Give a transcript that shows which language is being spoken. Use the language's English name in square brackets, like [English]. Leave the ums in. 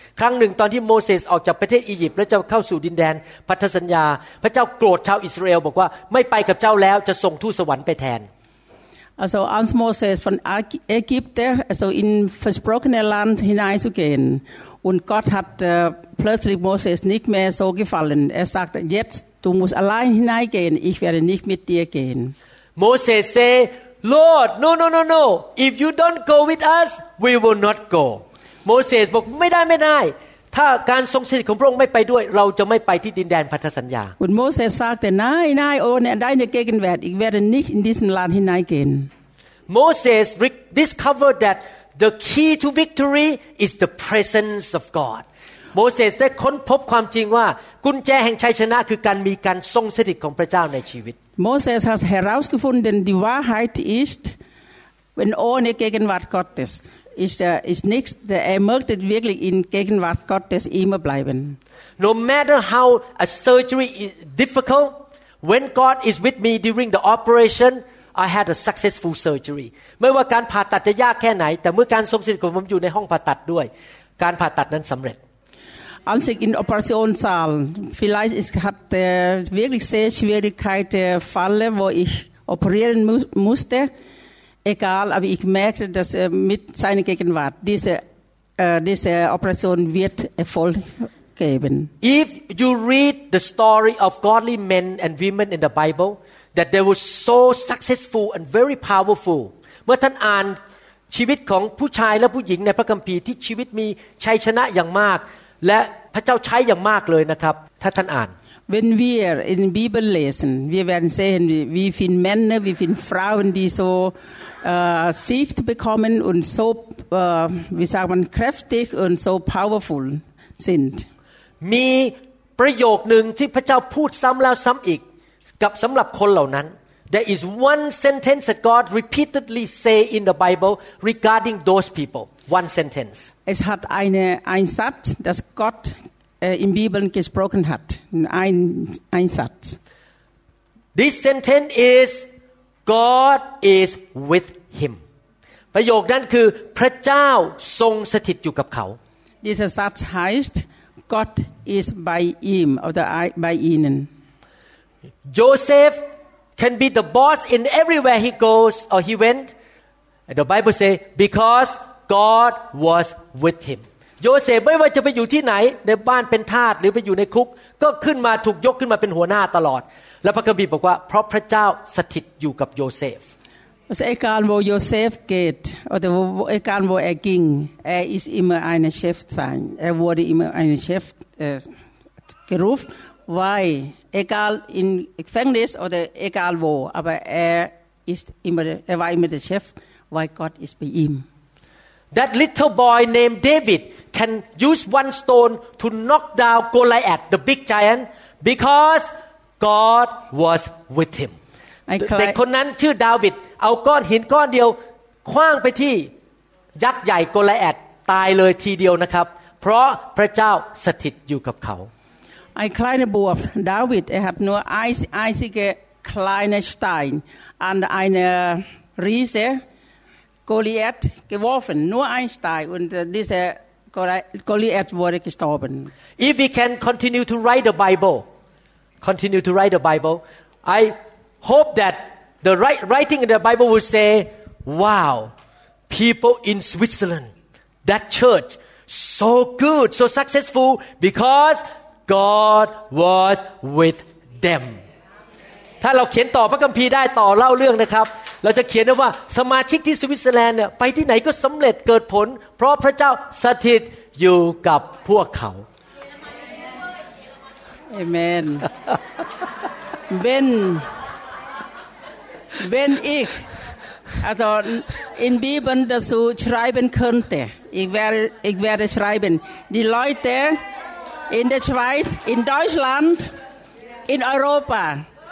[Thai] ครั้งหนึ่งตอนที่โมเสสออกจากประเทศอียิปต์และจะเข้าสู่ดินแดนพันธสัญญา พระเจ้าโกรธชาวอิสราเอลบอกว่าไม่ไปกับเจ้าแล้วจะส่งทูตสวรรค์ไปแทน [German] Also als Moses von Äg- Ägypten, also in versprochene Land hineinzugehen. Und Gott hat äh, plötzlich Moses nicht mehr so gefallen. Er sagte, jetzt, du musst allein hineingehen, ich werde nicht mit dir gehen. [English] Moses say Lord no no no no if you don't go with us we will not go Moses [Thai] บอกไม่ได้ไม่ได้ ถ้าการทรงสถิตของพระองค์ไม่ไปด้วย เราจะไม่ไปที่ดินแดนพันธสัญญา [German] Und Moses sagte, nein, nein, ohne deine Gegenwart, ich werde nicht in diesem Land hineingehen. [English] Moses re- discovered that the key to victory is the presence of God. [Thai] โมเสสได้ค้นพบความจริงว่ากุญแจแห่งชัยชนะคือการมีการทรงสถิตของพระเจ้าในชีวิต [German] Moses hat herausgefunden, die Wahrheit ist, wenn ohne Gegenwart Gottes ist, er, ist nichts, der- er möchte wirklich in Gegenwart Gottes immer bleiben. [English] No matter how a surgery is difficult when God is with me during the operation I had a successful surgery [Thai] ไม่ว่าการผ่าตัดจะยากแค่ไหน แต่เมื่อการทรงสถิตของผมอยู่ในห้องผ่าตัดด้วย การผ่าตัดนั้นสำเร็จ [German] Als ich in Operationssaal, vielleicht ist, hat äh, wirklich sehr Schwierigkeiten, Falle, wo ich operieren mu musste, egal, aber ich merkte, dass äh, mit seiner Gegenwart diese, äh, diese Operation wird Erfolg geben. [English] If you read the story of godly men and women in the Bible, that they were so successful and very powerful. [Thai] เมื่อท่านอ่านชีวิตของผู้ชายและผู้หญิงในพระคัมภีร์ที่ชีวิตมีชัยชนะอย่างมาก และพระเจ้าใช้อย่างมากเลยนะครับ ถ้าท่านอ่าน [German] Wenn wir in der Bibel lesen, wir werden sehen, wie, wie viele Männer, wie viele Frauen, die so äh, Sicht bekommen und so, äh, wie sagt man, kräftig und so powerful sind. [Thai] มีประโยคหนึ่งที่พระเจ้าพูดซ้ำแล้วซ้ำอีก กับสำหรับคนเหล่านั้น [English] There is one sentence that God repeatedly say in the Bible regarding those people. One sentence. [German] Es hat eine, ein Satz, das Gott äh, in Bibeln gesprochen hat. Ein, ein Satz. [English] This sentence is God is with him [Thai] ประโยคนั้นคือพระเจ้าทรงสถิตอยู่กับเขา [German] Dieser Satz heißt, Gott ist bei ihm oder ei- bei ihnen. [English] Joseph can be the boss in everywhere he goes or he went And the Bible say because God was with him [Thai] โยเซฟไม่ว่าจะไปอยู่ที่ไหนในบ้านเป็นทาสหรือไปอยู่ในคุก ก็ขึ้นมาถูกยกขึ้นมาเป็นหัวหน้าตลอด และพระคัมภีร์บอกว่าเพราะพระเจ้าสถิตอยู่กับโยเซฟ [German] Also egal wo Josef geht oder wo, wo, egal wo er ging, er ist immer ein Chef sein. Er wurde immer ein Chef äh, gerufen, weil egal im Gefängnis oder egal wo, aber er ist immer, er war immer der Chef, weil Gott ist bei ihm. [English] That little boy named David can use one stone to knock down Goliath, the big giant, because God was with him. I cry- [Thai] เด็กคนนั้นชื่อดาวิดเอาก้อนหินก้อนเดียวคว้างไปที่ยักษ์ใหญ่โกลาแอดตายเลยทีเดียวนะครับ เพราะพระเจ้าสถิตอยู่กับเขา [German] Ein kleiner Bub, David, er hat nur ein einziger kleiner Stein an eine Riese Goliath geworfen. Nur ein Stein und äh, dieser Goli- Goliath wurde gestorben. [English] If we can continue to write the Bible, continue to write the Bible, I hope that the wri- writing in the Bible will say, wow, people in Switzerland, that church, so good, so successful because God was with them. [Thai] ถ้าเราเขียนต่อพระคัมภีร์ได้ต่อเล่าเรื่องนะครับ เราจะเขียนได้ว่าสมาชิกที่สวิตเซอร์แลนด์เนี่ยไปที่ไหนก็สำเร็จเกิดผล เพราะพระเจ้าสถิตอยู่กับพวกเขา [English] Amen. [German] wenn, wenn ich also in Bibeln dazu schreiben könnte, ich werde, ich werde schreiben, die Leute in der Schweiz, in Deutschland, in Europa